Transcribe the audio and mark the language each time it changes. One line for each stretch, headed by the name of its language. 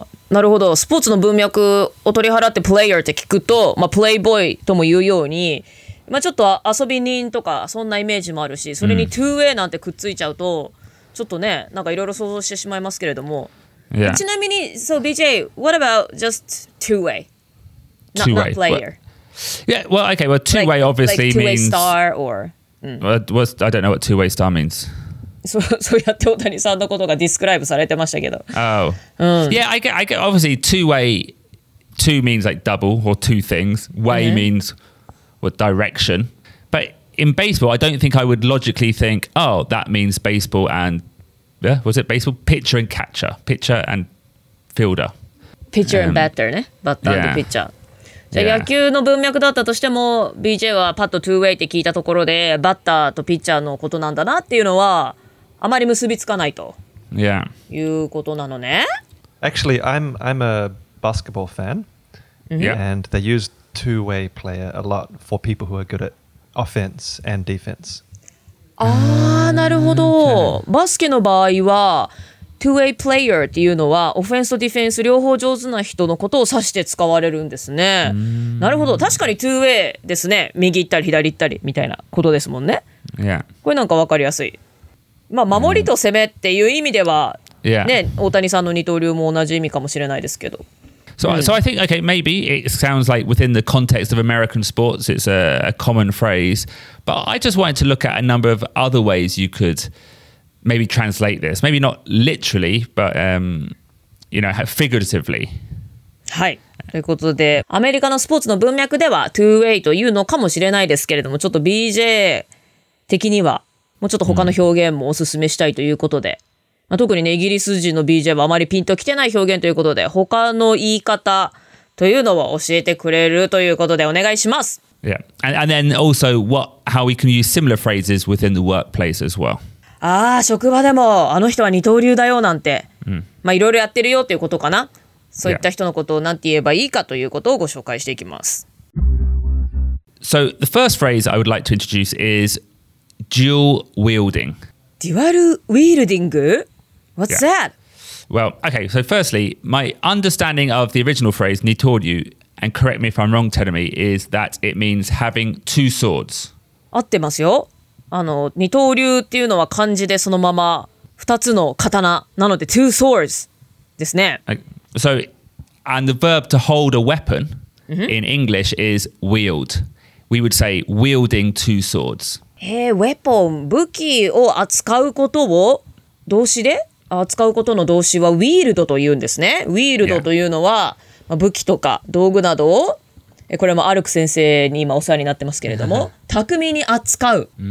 Japanese: なるほど。スポーツの文脈を取り払ってプレイヤーって聞くと、まあ、プレイボーイとも言うように、まあ、ちょっと遊び人とかそんなイメージもあるし、それに two way なんてくっついちゃうと、ちょっとね、なんかいろいろ想像してしまいますけれども、
English: yeah.
Japanese: ちなみに、
English: so BJ, what about just two-way? Not player. Well, yeah, well, okay, well, two-way like, obviously like two-way means... Like two-way star or...、 I don't know what two-way star means.
Japanese: そうやって大谷さんのことがディスクライブされてましたけど。
English: Oh.、
Japanese: うん、
English: yeah, I get, obviously two-way, two means like double or two things. Way、mm-hmm. means what direction. In baseball, I don't think I would logically think, oh, that means baseball and, yeah, was it baseball? Pitcher and catcher. Pitcher and fielder. Pitcher and batter, ね。
Japanese: バッターとピッチャー。じゃあ野球の文脈だったとしても、BJ はパッと 2way って聞いたところで、バッターとピッチャーのことなんだなっていうのは、あまり結びつかないと。
English: Yeah.
Japanese: いうことなのね。
English: Actually, I'm a basketball fan. Yeah. And they use 2way player a lot for people who are good at. Offense and defense.
Japanese: ああ、なるほど。バスケの場合は、two-way player っていうのは、オフェンスとディフェンス両方上手な人のことを指して使われるんですね。なるほど。確かに two-way ですね。右行ったり左行ったりみたいなことですもんね。
English: Yeah.
Japanese: これなんかわかりやすい。まあ、守りと攻めっていう意味では、
English: yeah.
Japanese: ね、大谷さんの二刀流も同じ意味かもしれないですけど。
English: So I think, okay, maybe it sounds like within the context of American sports, it's a common phrase. But I just wanted to look at a number of other ways you could maybe translate this. Maybe not literally, but, you know, figuratively.
Japanese: はい。ということで、アメリカのスポーツの文脈では2way というのかもしれないですけれども、ちょっと BJ 的にはもうちょっと他の表現もおすすめしたいということで、うん、まあ、特にね、イギリス人の BJ はあまりピンときてない表現ということで、他の言い方というのは教えてくれるということでお願いします。
English: Yeah, and then also what, how we can use similar phrases within the workplace as well.
Japanese: ああ、職場でもあの人は二刀流だよなんて、うん、まあいろいろやってるよということかな。そういった人のことを何て言えばいいかということをご紹介していきます。
English: So the first phrase I would like to introduce is dual wielding. Dual wielding? What's that? Well, okay, so firstly, my understanding of the original phrase, Nitoryu, and correct me if I'm wrong, Terumi, is that it means having two swords.
Japanese: 合ってますよ。あの、二刀流っていうのは漢字でそのまま二つの刀なので
English: two swords
Japanese: ですね。
English: So, and the verb to hold a weapon in English is wield. We would say wielding two swords.
Japanese: Weapon, 武器を扱うことを動詞で扱うことの動詞は wield というんですね。 Wield というのは、まあ、武器とか道具などを、これもアルク先生に今お世話になってますけれども、巧みに扱う。